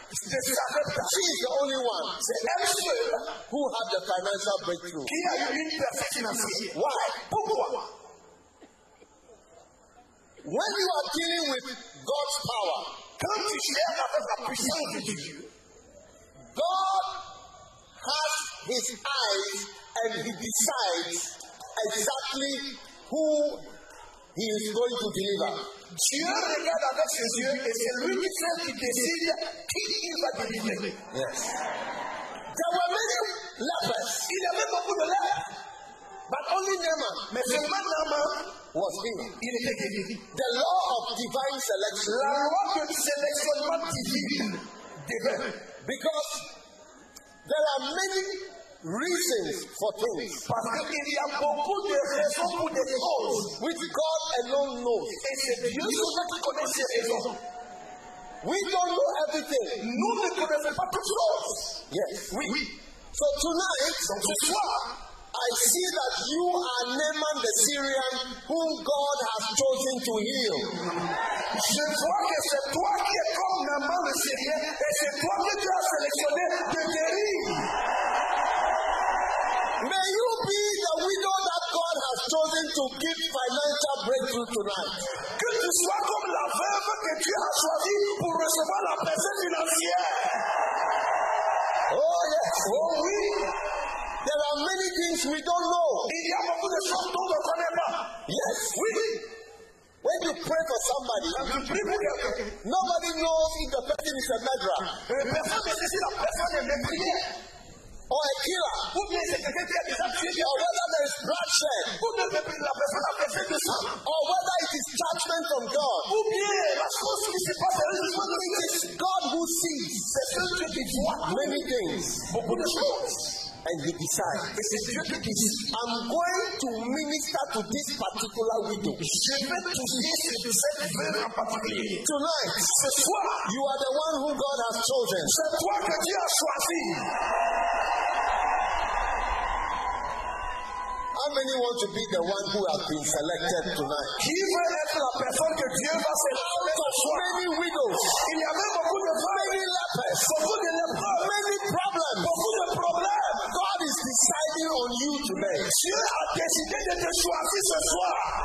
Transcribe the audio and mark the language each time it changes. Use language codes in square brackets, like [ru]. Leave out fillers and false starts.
[fr] De Sarepta. [en] She is the only one. [fr] C'est elle seule. [en] Who had the financial breakthrough? [fr] Qui a eu une percée financière? [en] Why? [fr] Pourquoi? [en] When you are dealing with God's power, [fr] quand tu cherches avec la puissance de Dieu, [en] God has His eyes and He decides exactly who He is going to deliver. [fr] Dieu regarde avec ses yeux et c'est lui qui fait qui décide qui il va délivrer. [en] Yes. There were many lepers. [fr] Il y avait beaucoup de lepers. [en] But only Naaman. [fr] Mais seulement Naaman [en] was healed. [fr] Il était guéri. [en] The law of divine selection. [fr] La loi de sélection divine. [en] Because there are many reasons for things. [fr] Parce qu'il y a beaucoup de raisons pour des choses. [en] Which God alone knows. [fr] Et c'est Dieu seul qui connaît ces raisons. [en] We don't know everything. [fr] Nous ne connaissons pas toutes choses. [en] Yes. [fr] Oui. [en] So tonight, [fr] donc ce soir, [en] I see that you are Naaman the Syrian whom God has chosen to heal. [fr] Je vois que c'est toi qui es comme Naaman le Syrien et c'est toi que tu as sélectionné de guérir. [en] May you be the widow that God has chosen to give financial breakthrough tonight. [fr] Que tu sois comme la veuve que Dieu a choisi pour recevoir la percée financière. [en] Oh yes. [fr] Oh oui. [en] There are many things we don't know. [fr] Il y a beaucoup de choses dont on ne connaît pas. [en] Yes. [fr] Oui. [en] When you pray for somebody, nobody knows if the person is a murderer. [fr] Personne ne sait si la personne est meurtrière. [en] Or a killer. [fr] Ou bien c'est quelqu'un qui a des actes. [en] Or whether there is bloodshed. [fr] Ou bien c'est la personne a versé du sang. [en] Or whether it is judgment from God. [fr] Ou bien la chose qui se passe à l'esprit. [en] It is God who sees. [fr] C'est Dieu qui dit [en] many things. [fr] Beaucoup de choses. [en] And he decides. I'm going to minister to this particular widow. [fr] Je vais toucher cette veuve en particulier. [en] Tonight, [fr] ce soir, [en] you are the one whom God has chosen. [fr] C'est toi que Dieu a choisi. [en] How many want to be the one who has been selected tonight? [fr] Qui veut être la personne que Dieu va sélectionner? [en] Many widows. [fr] Il y a même beaucoup de femmes. Beaucoup de lepers. [en] Many problems. [fr] Beaucoup de problèmes. [en] God is deciding on you today. [fr] Dieu a décidé de te choisir ce soir.